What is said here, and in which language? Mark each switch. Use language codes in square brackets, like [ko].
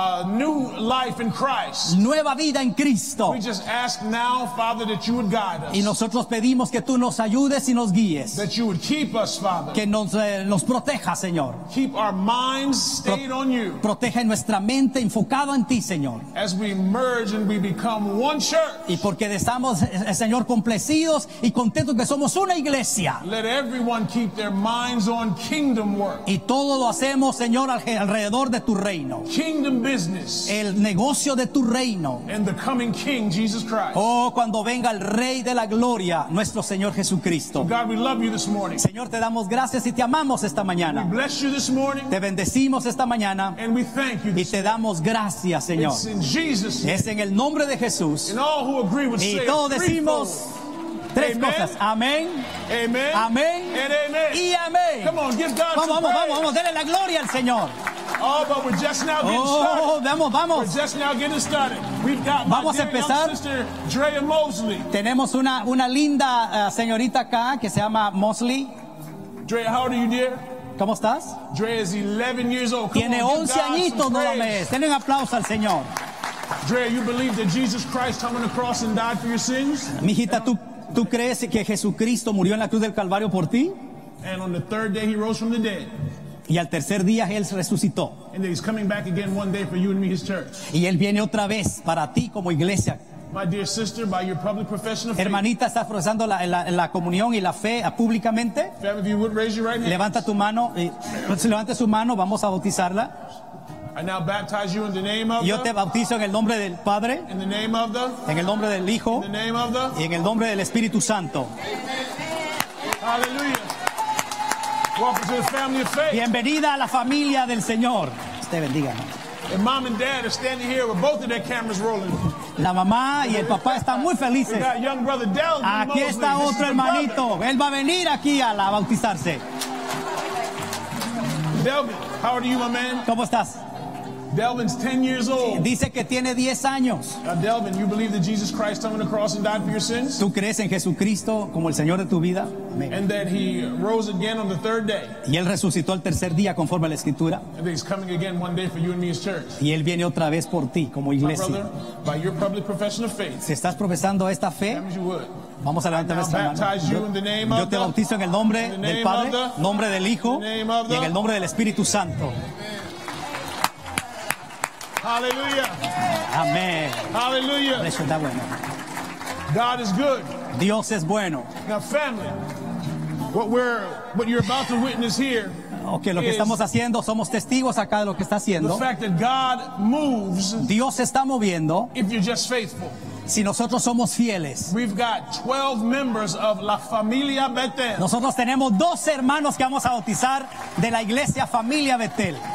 [en] New life in Christ. [es] Nueva vida en Cristo. [en] We just ask now, Father, that you would guide us. [es] Y nosotros pedimos que tú nos ayudes y nos guíes. [en] That you would keep us, Father. [es] Que nos proteja, Señor. [en] Keep our minds stayed on you. [es] Protege nuestra mente enfocada en ti, Señor. [en] As we merge and we become one church. [es] Y porque estamos, Señor, complacidos y contentos que somos una iglesia. [en] Let everyone keep their minds on kingdom work. [es] Y todo lo hacemos, Señor, alrededor de tu reino. [en] Kingdom business. [es] El negocio de tu reino. [en] And the coming King, Jesus Christ. [es] Oh, cuando venga el Rey de la Gloria, nuestro Señor Jesucristo. [en] God, we love you this morning. [es] Señor, te damos gracias y te amamos esta mañana. [en] We bless you this morning. [es] Te bendecimos esta mañana. [en] And we thank you this [es] y te damos gracias, Señor. [en] It's in Jesus. [es] Es en el nombre de Jesús. [en] And all who agree with [es] y todos decimos tres [en] amen. [es] Cosas. Amén. Amén. Amén. [en] Amen. [es] Y amén. [en] Come on, give God [es] Vamos, vamos, dele la gloria al Señor. [en] Oh, but we're just now getting started. [es] Vamos, vamos. [en] We're just now getting started. We've got [es] vamos [en] my dear young sister, Drea Mosley. [es] Tenemos una linda señorita acá que se llama Mosley. [en] Drea, how old are you, dear? [es] ¿Cómo estás? [en] Drea is 11 years old. Come [es] tiene [en] on, [es] 11 añitos, no lo mees. Denle un aplauso al Señor. [en] Drea, you believe that Jesus Christ hung on the cross and died for your sins? [es] Mi hijita, ¿tú crees que Jesucristo murió en la cruz del Calvario por ti? [en] And on the third day he rose from the dead. [es] Y al tercer día él resucitó. [en] And he's coming back again one day for you and me, his church. [es] Y él viene otra vez para ti como iglesia. [en] My dear sister, by your public profession of faith. [es] Hermanita, ¿estás profesando la comunión y la fe públicamente? [en] If you would raise your right hand. [es] Levanta tu mano. Si levantes su mano, vamos a bautizarla. [en] I now baptize you in the name of [es] yo te bautizo en el nombre del Padre. [en] In the name of the, [es] en el nombre del Hijo. [en] In the name of the, [es] y en el nombre del Espíritu Santo. [en] Aleluya. Welcome to the family of faith. [es] Bienvenida a la familia del Señor. Te bendiga. [en] And mom and dad are standing here with both of their cameras rolling. [es] La mamá y el papá están muy felices. [en] We got young brother Dell. [es] Aquí está otro hermanito. Él va a venir aquí a la bautizarse. [en] Delvin, how are you, my man? [es] ¿Cómo estás? [en] Delvin's 10 years old. [es] Dice que tiene 10 años. [en] Delvin, you believe that Jesus Christ hung on the cross and died for your sins? [es] ¿Tú crees en Jesucristo como el Señor de tu vida? [en] Amen. And that he rose again on the third day. [es] Y él resucitó el tercer día conforme a la escritura. [en] And that he's coming again one day for you and me as church. [es] Y él viene otra vez por ti como iglesia. [en] My brother, by your public profession of faith. [es] Si estás profesando esta fe, vamos a levantar nuestra mano. Yo te bautizo en el nombre del Padre, nombre del Hijo y en el nombre del Espíritu Santo. [en] Hallelujah. Amen. Hallelujah. [es] Eso está bueno. [en] God is good. [es] Dios es bueno. [en] Now, family, what you're about to witness here. [es] Okay, lo que estamos haciendo, somos testigos acá de lo que está haciendo. [en] The fact that God moves. [es] Dios se está moviendo. [en] If you're just faithful. [es] Si nosotros somos fieles. [en] We've got 12 members of la familia Bethel. [es] Nosotros tenemos 12 hermanos que vamos a bautizar de la iglesia familia Bethel.